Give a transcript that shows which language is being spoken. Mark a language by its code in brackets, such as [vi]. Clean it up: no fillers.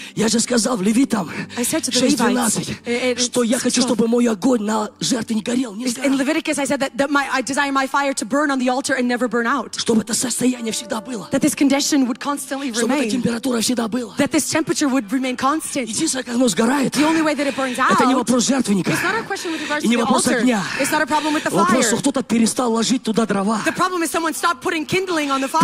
[en] I said to the Levites, in Leviticus, I said I desire my fire to burn on the altar and never burn out. That this condition would constantly remain. That this temperature would remain constant. The only way that it burns out, it's not a question with regards to the altar. It's not a problem. [ru] Вопрос, кто-то перестал ложить туда дрова. [en] The problem is someone stopped putting kindling on the fire.